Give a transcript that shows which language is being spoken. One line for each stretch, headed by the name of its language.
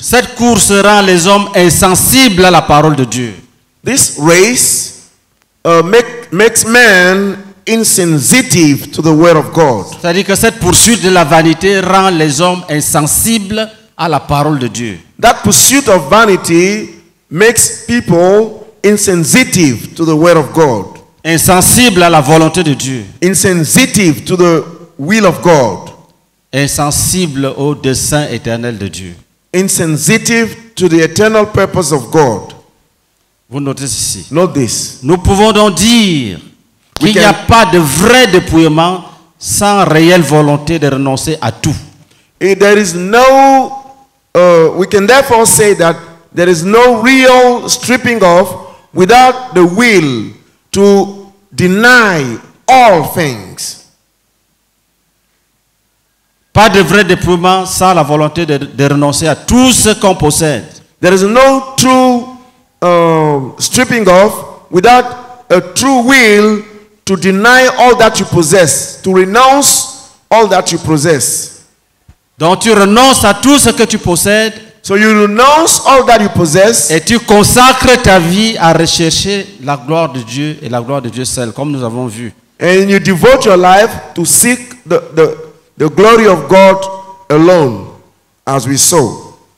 French: Cette course rend les hommes insensibles à la parole de Dieu.
English: This race makes man insensitive to the word of God.
French: C'est-à-dire que cette poursuite de la vanité rend les hommes insensibles à la parole de Dieu.
English: That pursuit of vanity makes people insensitive to the word of God.
French: Insensible à la volonté de Dieu.
English: Insensitive to the will of God.
French: Insensible au dessein éternel de Dieu.
English: Insensitive to the eternal purpose of God.
French: Vous notez ceci.
English: Note this.
French: Nous pouvons donc dire qu'il n'y a pas de vrai dépouillement sans réelle volonté de renoncer à tout.
English: If there is no we can therefore say that there is no real stripping off without the will to deny all things.
French: Pas de vrai dépouillement sans la volonté de renoncer à tout ce qu'on possède.
English: There is no true stripping off without a true will to deny all that you possess, to renounce all that you possess.
French: Donc tu renonces à tout ce que tu possèdes.
English: So you renounce all that you possess.
French: Et tu consacres ta vie à rechercher la gloire de Dieu et la gloire de Dieu seul, comme nous avons vu.
English: And you devote your life to seek the glory of God alone, as we saw.